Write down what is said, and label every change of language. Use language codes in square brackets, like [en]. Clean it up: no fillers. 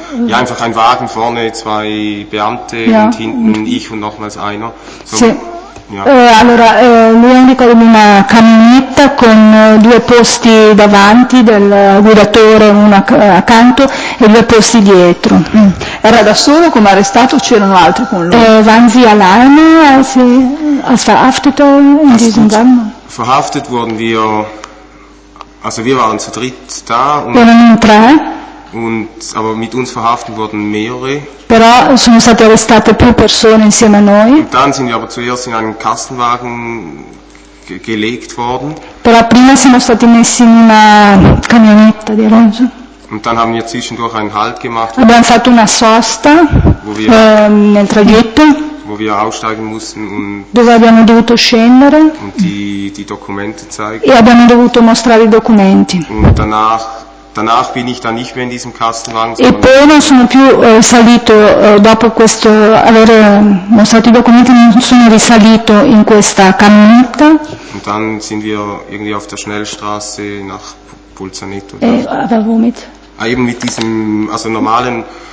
[de] ja, einfach ein Wagen vorne, zwei Beamte, ja, und hinten und ich und nochmals einer. So, sì. Ja. [it] Allora, lui ha indicato una camionetta con due posti davanti del guidatore, uno accanto e due posti dietro. Era da solo come arrestato o c'erano altri con lui? [de] Waren Sie alleine, als verhaftet in diesem Wagen? Verhaftet wurden wir, also wir waren zu dritt da. [it] Erano in tre. [de] Aber mit uns verhaftet wurden mehrere. [it] Però sono state arrestate più persone insieme a noi. [de] Und dann sind wir aber zuerst in einen Kastenwagen gelegt worden. [it] Però prima siamo stati messi in una camionetta, direi. So. [de] Und dann haben wir zwischendurch einen Halt gemacht. [it] Abbiamo fatto una sosta nel tragitto. [de] Wo wir aussteigen mussten und [it] dove abbiamo dovuto scendere. [de] Und die Dokumente zeigen. [it] E abbiamo dovuto mostrare i documenti. [de] Und danach bin ich dann nicht mehr in diesem Kastenwagen. [it] E poi non sono più salito dopo questo aver mostrato i documenti, non sono risalito in questa camionetta. [de] Und dann sind wir irgendwie auf der Schnellstraße nach Bolzaneto. E da womit? Eben mit diesem, also normalen,